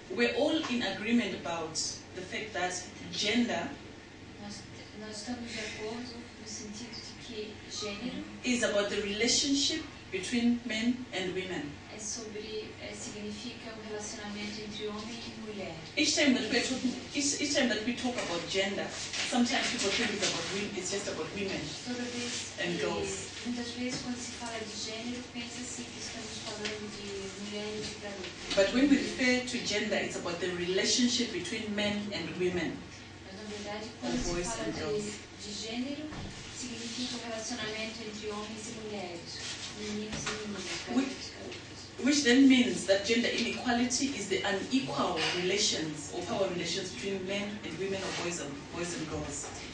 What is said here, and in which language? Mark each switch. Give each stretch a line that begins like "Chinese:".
English: We're all in agreement about the fact that gender.
Portuguese: Nós estamos de acordo no sentido de que gênero
English: is about the relationship between men and women.
Portuguese: É sobre, significa o relacionamento entre homem e mulher.
English: Each time that we talk about gender, sometimes people think it's about women. It's just about women.
Portuguese: Toda vez
English: and
Portuguese: que,
English: girls.
Portuguese: Muitas vezes quando se fala de gênero, pensa assim que estamos falando de mulheres e garotas.
English: But when we refer to gender, it's about the relationship between men and women.
Portuguese: Mas na verdade, quando se fala de gênero, significa o relacionamento entre homens e mulheres, meninos e meninas.
English: Which then means that gender inequality is the unequal relations or power relations between men and women or boys and girls.